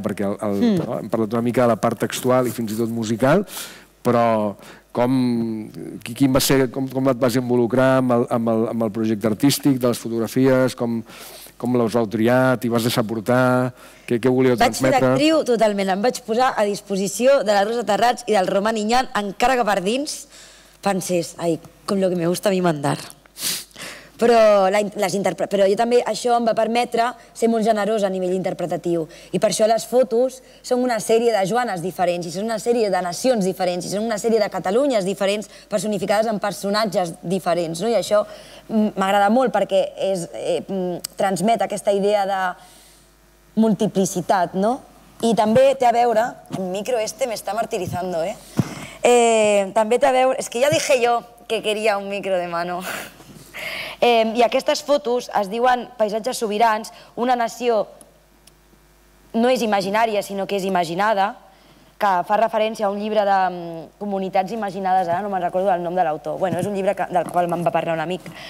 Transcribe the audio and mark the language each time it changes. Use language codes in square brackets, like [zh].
[ca] Perquè hem parlat una mica de la part textual i fins i tot musical, però com et vas involucrar amb el projecte artístic de les fotografies? Com les vau triar? T'hi vas deixar portar? Què volíeu transmetre? Vaig ser actriu totalment. Em vaig posar a disposició de la Rosa Terrats i del Román Iñán, encara que per dins, pensés, ai, com [es] lo que me gusta a mi mandar. [ca] Però jo també, això em va permetre ser molt generosa a nivell interpretatiu. I per això les fotos són una sèrie de Joanes diferents, i són una sèrie de nacions diferents, i són una sèrie de Catalunyes diferents personificades en personatges diferents. No? I això m'agrada molt perquè és, transmet aquesta idea de multiplicitat, no? I també té a veure... [es] El micro este me está martirizando, ¿eh? [ca] També té a veure... És que ja [es] dije jo que quería un micro de mano. [ca] I aquestes fotos es diuen paisatges sobirans, una nació no és imaginària, sinó que és imaginada, que fa referència a un llibre de comunitats imaginades, ara no me'n recordo el nom de l'autor, bueno, és un llibre que, del qual me'n va parlar un amic.